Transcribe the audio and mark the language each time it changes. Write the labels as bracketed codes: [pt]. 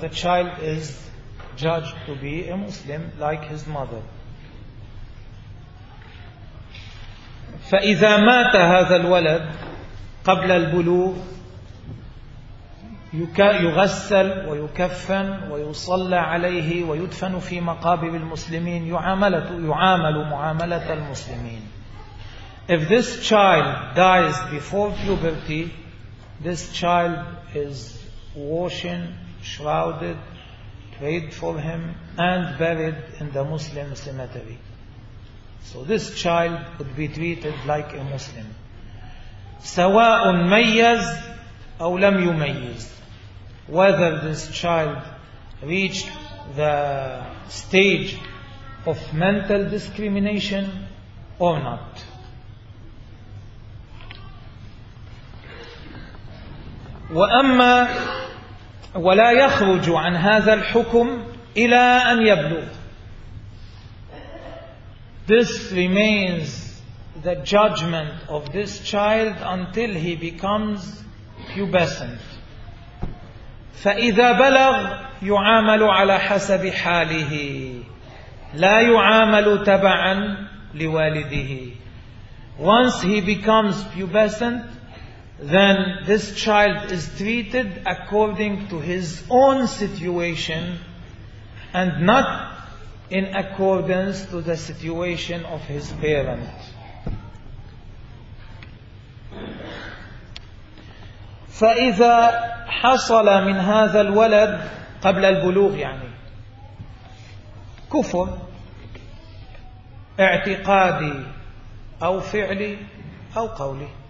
[en] The child is judged to be a Muslim like his mother. [ar] فإذا مات هذا الولد قبل البلوغ يغسل ويكفن ويصلى عليه ويدفن في مقابر المسلمين، يعامل معاملة المسلمين. [en] If this child dies before puberty, this child is washing, shrouded, prayed for him, and buried in the Muslim cemetery. So this child would be treated like a Muslim. [ar] سواء ميز أو لم يميز. [en] Whether this child reached the stage of mental discrimination or not. [ar] وأما ولا يخرج عن هذا الحكم إلى أن يبلغ. [en] This remains the judgment of this child until he becomes pubescent. [ar] فإذا بلغ يعامل على حسب حاله لا يعامل تبعا لوالده. [en] Once he becomes pubescent, then this child is treated according to his own situation and not in accordance to the situation of his parent. [ar] فإذا حصل من هذا الولد قبل البلوغ يعني كفر اعتقادي أو فعلي أو قولي.